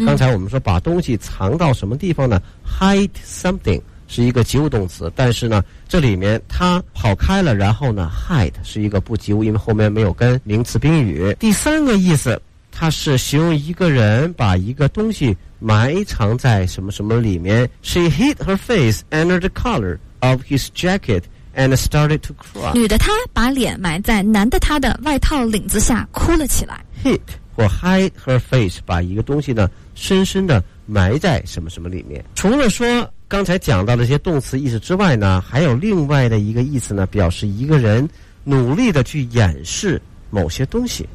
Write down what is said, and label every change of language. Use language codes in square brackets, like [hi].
[zh] 刚才我们说把东西藏到什么地方呢 ？Hide something。是一个及物动词，但是呢这里面它跑开了，然后呢 hide 是一个不及物，因为后面没有跟名词宾语。第三个意思，它是形容一个人把一个东西埋藏在什么什么里面。 [en] She hid her face under the collar of his jacket and started to cry。 [zh] 女的她把脸埋在男的她的外套领子下哭了起来。 hid 或 hide her face， 把一个东西呢深深的埋在什么什么里面。除了说刚才讲到的一些动词意思之外呢，还有另外的一个意思呢，表示一个人努力的去掩饰某些东西。